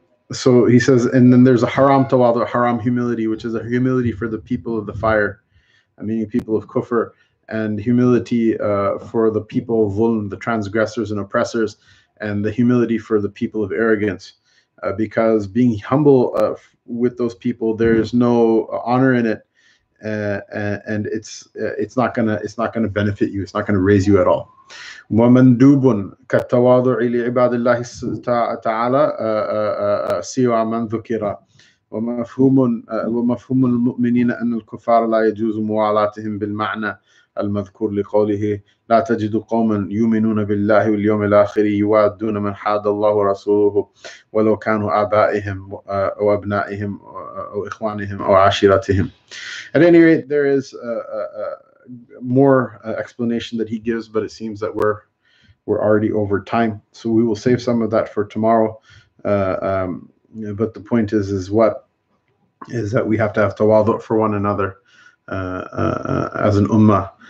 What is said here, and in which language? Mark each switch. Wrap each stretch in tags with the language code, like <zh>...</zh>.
<en>So he says, and then there's a haram tawadu, haram humility, which is a humility for the people of the fire, meaning people of kufr, and humility for the people of dhulm, the transgressors and oppressors, and the humility for the people of arrogance. Because being humble with those people, there is no honor in it, and it's not gonna benefit you. It's not gonna raise you at all.</en> <ar>وَمَنْ دُوبٌ كَالتَّوَاضُعِ لِعِبَادِ اللَّهِ تَعَالَى سِوَى مَنْ ذُكِرَ وَمَفْهُومُ الْمُؤْمِنِينَ أَنَّ الْكُفَّارَ لَا يَجُوزُ مُوَالَاتِهِمْ بِالْمَعْنَى المذكور لقوله لا تجد قوما يؤمنون بالله واليوم الآخر يوادون من حاد الله ورسوله ولو كانوا آبائهم وأبنائهم أو إخوانهم أو عشيرتهم.</ar> <en>At any rate, there is more explanation that he gives, but it seems that we're already over time, so we will save some of that for tomorrow. But the point is what is that we have to have tawadu for one another as an ummah.</en>